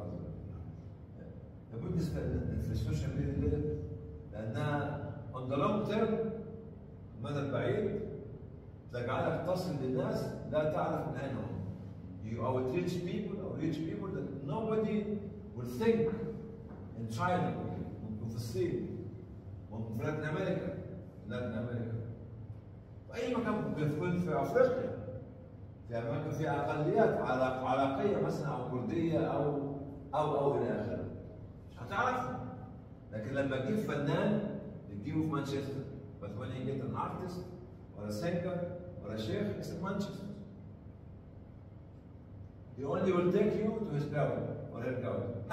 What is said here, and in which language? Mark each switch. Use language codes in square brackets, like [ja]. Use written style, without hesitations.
[en] They would understand [ar] في السوشيال ميديا لأنها [en] on the long term [ar] المدى البعيد تجعلك تصل للناس لا تعرف من أين هم. [en] You outreach people or reach people that nobody will think in China or [ar] في الصين. في لاتن امريكا في اي مكان بيكون في افريقيا في اماكن في اقليات عراقيه مثلا او كرديه او الى اخره مش هتعرف. لكن لما تجيب فنان تجيبه في مانشستر بس وين يجيب ان ارتست ولا سينجر ولا شيخ اكسب مانشستر [en] he only will take you to his garden or her garden.